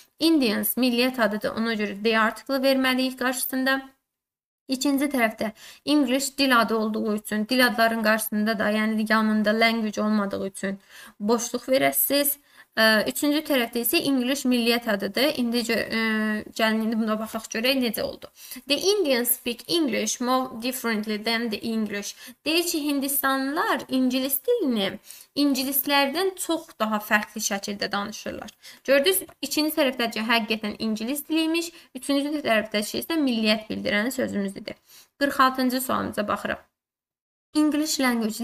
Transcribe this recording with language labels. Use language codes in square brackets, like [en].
[az] Indians milliyyət adıdır. Ona görə D artıqlı verməliyik qarşısında. İkinci tərəfdə English dil adı olduğu üçün, dil adların qarşısında da, yəni yanında language olmadığı üçün boşluq verəsiniz. Üçüncü tərəfdə isə English milliyyət adıdır. İndi gəlin buna baxaq görək necə oldu. [en] The Indians speak English more differently than the English. [az] Deyir ki, Hindistanlılar İngilis dilini İngilislərdən çox daha fərqli şəkildə danışırlar. Gördünüz, ikinci tərəfdə ki, həqiqətən İngilis diliymiş. Üçüncü tərəfdə ki, isə milliyyət bildirən sözümüzdür. 46-cı sualımıza baxırıq. [en] English language.